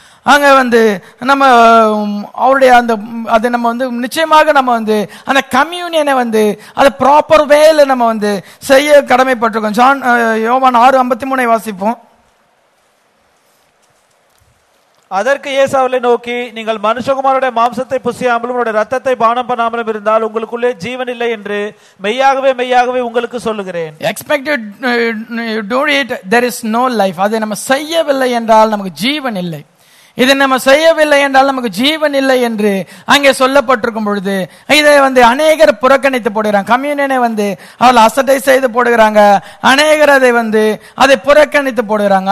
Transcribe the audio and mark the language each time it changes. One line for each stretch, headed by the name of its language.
Tamil: அங்க வந்து நம்ம அவருடைய அந்த அதை நம்ம வந்து நிச்சயமாக நம்ம வந்து அந்த கம்யூனியனை வந்து அதை ப்ராப்பர் வேல நம்ம வந்து செய்ய கடமைப்பட்டிருக்கோம். ஜான் யோவான் 6:53 வாசிப்போம். அதற்கு இயேசு அவர்களை நோக்கி, நீங்கள் மனுஷகுமாரோட மாம்சத்தை புசியாமலும் ரத்தத்தை பானம் பண்ணாமலும் இருந்தால் உங்களுக்குள்ளே ஜீவன் இல்லை என்று மெய்யாகவே மெய்யாகவே உங்களுக்கு சொல்லுகிறேன்.
English: Expect you don't eat, there is no life.
Tamil: அதை நம்ம செய்யவில்லை என்றால் நமக்கு ஜீவன் இல்லை. இதை நம்ம செய்யவில்லை என்றால் நமக்கு ஜீவன் இல்லை என்று அங்கே சொல்லப்பட்டிருக்கும் பொழுது இதை வந்து அநேகர் புறக்கணித்து போடுகிறாங்க. கம்யூனியனை வந்து அவள் அசட்டை செய்து போடுகிறாங்க. அநேகர் அதை வந்து அதை புறக்கணித்து போடுகிறாங்க.